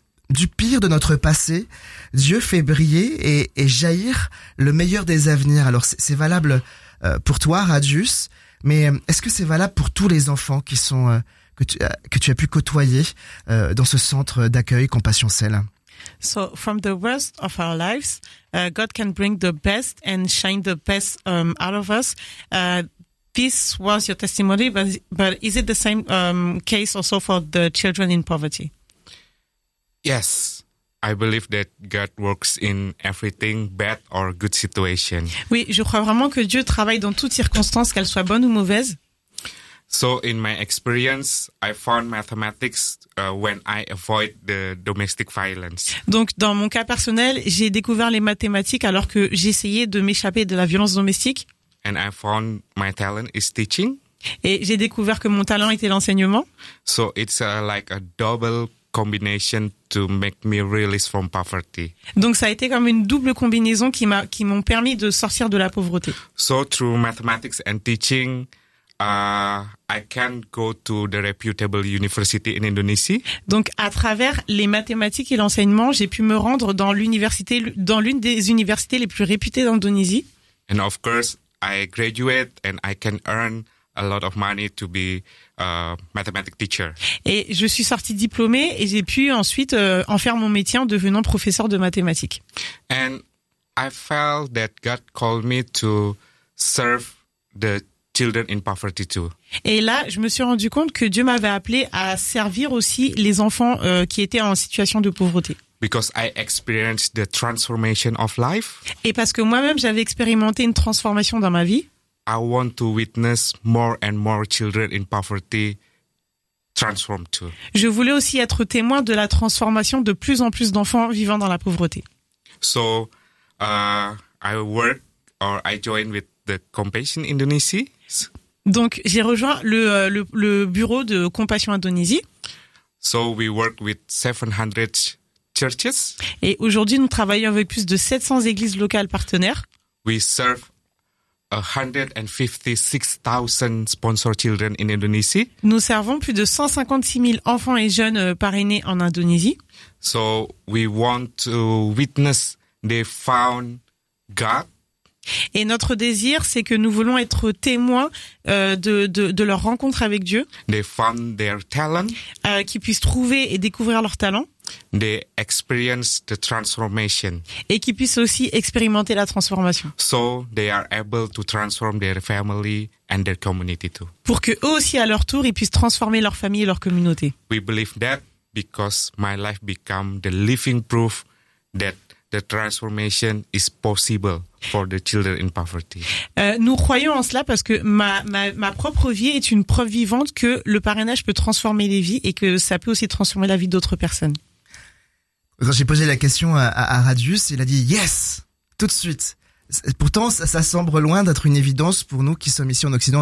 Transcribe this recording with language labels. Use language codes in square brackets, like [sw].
[fr] Du pire de notre passé, Dieu fait briller et jaillir le meilleur des avenirs. Alors, c'est valable pour toi, Radius, mais est-ce que c'est valable pour tous les enfants qui sont... Que tu as pu côtoyer dans ce centre d'accueil Compassion Cell. [en] So from the worst of our lives, God can bring the best and shine the best out of us. This was your testimony, but is it the same case also for the children in poverty? Yes, I believe that God works in everything, bad or good situation. [fr] Oui, je crois vraiment que Dieu travaille dans toutes circonstances, qu'elles soient bonnes ou mauvaises. [en] So in my experience, I found mathematics when I avoid the domestic violence. [fr] Donc dans mon cas personnel, j'ai découvert les mathématiques alors que j'essayais de m'échapper de la violence domestique. [en] And I found my talent is teaching. [fr] Et j'ai découvert que mon talent était l'enseignement. [en] So it's like a double combination to make me release from poverty. [fr] Donc ça a été comme une double combinaison qui m'ont permis de sortir de la pauvreté. [en] So through mathematics and teaching, I can go to the reputable university in Indonesia. [fr] Donc, à travers les mathématiques et l'enseignement, j'ai pu me rendre dans l'une des universités les plus réputées d'Indonésie. [en] And of course, I graduate and I can earn a lot of money to be a mathematics teacher. [fr] Et je suis sortie diplômée et j'ai pu ensuite en faire mon métier en devenant professeur de mathématiques. [en] And I felt that God called me to serve the children in poverty too. [fr] Et là, je me suis rendu compte que Dieu m'avait appelé à servir aussi les enfants qui étaient en situation de pauvreté. [en] Because I experienced the transformation of life. [fr] Et parce que moi-même, j'avais expérimenté une transformation dans ma vie. [en] I want to witness more and more children in poverty transform too. [fr] Je voulais aussi être témoin de la transformation de plus en plus d'enfants vivant dans la pauvreté. [en] So, I work or I join with the Compassion Indonesia. [fr] Donc, j'ai rejoint le bureau de Compassion Indonésie. [en] So we work with 700 churches. [fr] Et aujourd'hui, nous travaillons avec plus de 700 églises locales partenaires. [en] We serve 156,000 sponsored children in Indonesia. [fr] Nous servons plus de 156 000 enfants et jeunes parrainés en Indonésie. [en] So we want to witness they found God. [fr] Et notre désir, c'est que nous voulons être témoins de leur rencontre avec Dieu. [en] They found their talent. [fr] Qu'ils puissent trouver et découvrir leur talent. [en] They experience the transformation. [fr] Et qu'ils puissent aussi expérimenter la transformation. [en] So they are able to transform their family and their community too. [fr] Pour que eux aussi, à leur tour, ils puissent transformer leur famille et leur communauté. [en] We believe that because my life become the living proof that the transformation is possible for the children in poverty. [fr] Nous croyons en cela parce que ma propre vie est une preuve vivante que le parrainage peut transformer les vies et que ça peut aussi transformer la vie d'autres personnes. Quand j'ai posé la question à Radius, il a dit yes, tout de suite. Pourtant, ça semble loin d'être une évidence pour nous qui sommes ici en Occident.